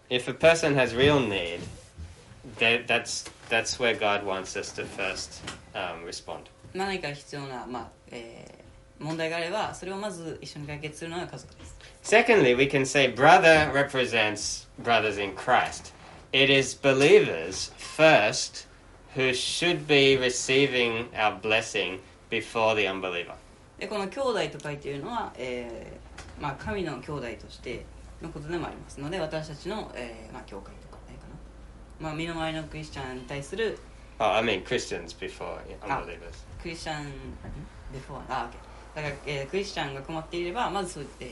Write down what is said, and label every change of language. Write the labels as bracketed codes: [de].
[en] If a person has real need, that's where God wants us to first, respond. [ja] 何か必要な、問題があれば、それをまず一緒に解決するのが家族です。 [en] Secondly, we can say brother represents brothers in Christ. It is believers first who should be receiving our blessing before the unbeliever. [ja] で、この兄弟と書いているのは、神の兄弟としてのことでもありますので、私たちの、教会とかないかな。身の回りのクリスチャンに対する。 [en] Oh, I mean Christians before unbelievers. [ja] クリスチャン [en] before. Ah, okay. [ja] だから、クリスチャンが困っていれば、まずそう、